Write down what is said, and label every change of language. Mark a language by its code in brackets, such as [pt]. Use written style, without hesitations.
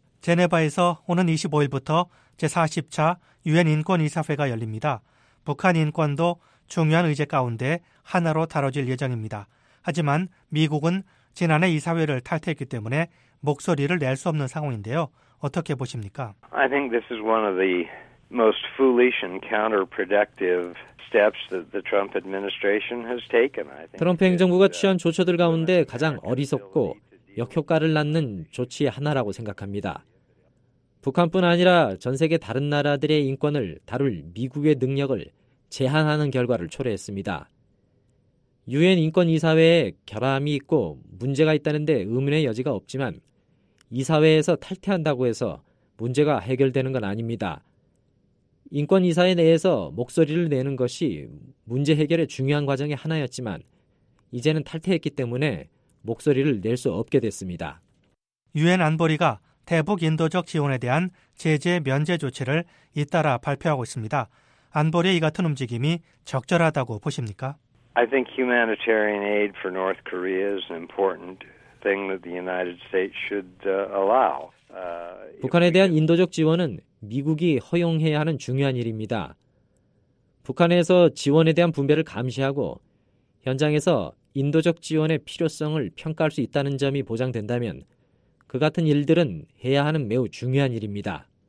[ko] 제네바에서 오는 25일부터 제40차 유엔 인권이사회가 열립니다. 북한 인권도 중요한 의제 가운데 하나로 다뤄질 예정입니다. 하지만 미국은 지난해 이사회를 탈퇴했기 때문에 목소리를 낼 수 없는 상황인데요. 어떻게 보십니까? [en] I think this is one of the most foolish and counterproductive steps that the Trump administration has taken. [ko] 트럼프 행정부가 취한 조처들 가운데 가장 어리석고 역효과를 낳는 조치 하나라고 생각합니다. 북한뿐 아니라 전 세계 다른 나라들의 인권을 다룰 미국의 능력을 제한하는 결과를 초래했습니다. 유엔 인권이사회에 결함이 있고 문제가 있다는데 의문의 여지가 없지만 이사회에서 탈퇴한다고 해서 문제가 해결되는 건 아닙니다. 인권이사회 내에서 목소리를 내는 것이 문제 해결의 중요한 과정의 하나였지만 이제는 탈퇴했기 때문에 목소리를 낼 수 없게 됐습니다. 유엔 안보리가 대북 인도적 지원에 대한 제재 면제 조치를 잇따라 발표하고 있습니다. 안보리의 이 같은 움직임이 적절하다고 보십니까? [en] I think humanitarian aid for North Korea is an important thing that the United States should allow. [ko] 북한에 대한 인도적 지원은 미국이 허용해야 하는 중요한 일입니다. 북한에서 지원에 대한 분배를 감시하고 현장에서 인도적 지원의 필요성을 평가할 수 있다는 점이 보장된다면 그 같은 일들은 해야 하는 매우 중요한 일입니다.